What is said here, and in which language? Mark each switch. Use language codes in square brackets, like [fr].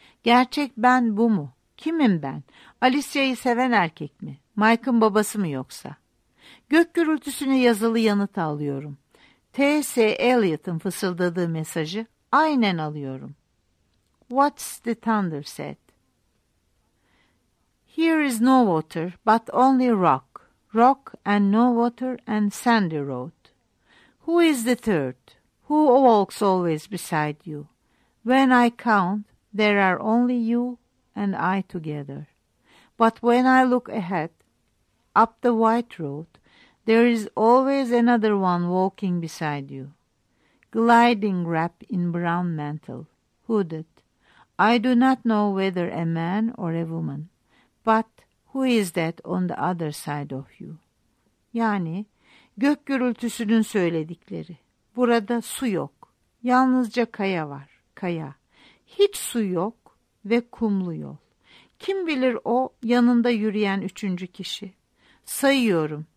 [tr] Gerçek ben bu mu? Kimim ben? Alicia'yı seven erkek mi? Mike'ın babası mı yoksa? Gök gürültüsüne yazılı yanıt alıyorum. T.S. Eliot'un fısıldadığı mesajı aynen alıyorum. [en] What's the thunder said? Here is no water, but only rock. Rock and no water and sandy road. Who is the third? Who walks always beside you? When I count, there are only you and I together. But when I look ahead, up the white road, there is always another one walking beside you. Gliding wrap in brown mantle, hooded. I do not know whether a man or a woman. But who is that on the other side of you? [tr] Yani gök gürültüsünün söyledikleri. Burada su yok. Yalnızca kaya var. Kaya. Hiç su yok ve kumlu yol. Kim bilir o yanında yürüyen üçüncü kişi. Sayıyorum.